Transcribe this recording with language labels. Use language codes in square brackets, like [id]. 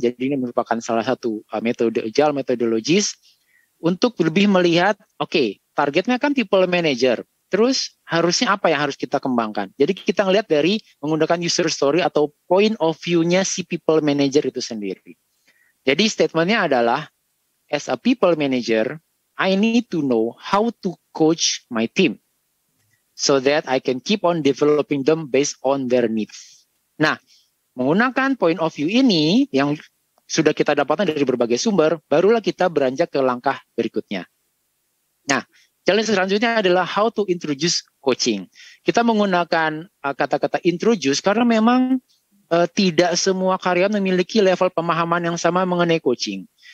[id] Jadi ini merupakan salah satu metode agile metodologis untuk lebih melihat okay, targetnya kan people manager, terus harusnya apa yang harus kita kembangkan. Jadi kita ngelihat dari menggunakan user story atau point of view-nya si people manager itu sendiri. [en] Jadi statement-nya adalah, as a people manager, I need to know how to coach my team so that I can keep on developing them based on their needs. [id] Nah, menggunakan point of view ini yang sudah kita dapatkan dari berbagai sumber, barulah kita beranjak ke langkah berikutnya. Nah, challenge selanjutnya adalah [en] how to introduce coaching. [id] Kita menggunakan kata-kata introduce karena memang tidak semua karyawan memiliki level pemahaman yang sama mengenai coaching.